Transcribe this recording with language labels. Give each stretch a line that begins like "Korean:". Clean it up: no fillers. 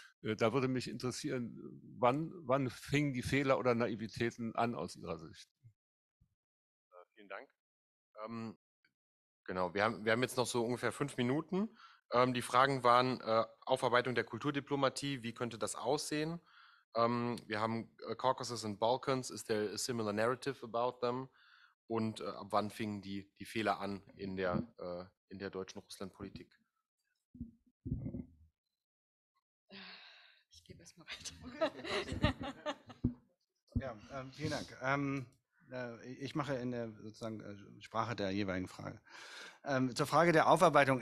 German: Da würde mich interessieren, wann fingen die Fehler oder Naivitäten an aus Ihrer Sicht? Vielen Dank. Genau, wir haben jetzt noch so ungefähr 5 Minuten. Die Fragen waren Aufarbeitung der Kulturdiplomatie, wie könnte das aussehen? Wir haben
English: Caucasus and Balkans, is there a similar narrative about them?
German: Und ab wann fingen die Fehler an in der deutschen Russlandpolitik? Ich gebe erstmal weiter. Okay. Ja, vielen Dank. Ich mache in der sozusagen Sprache der jeweiligen Frage. Zur Frage der Aufarbeitung.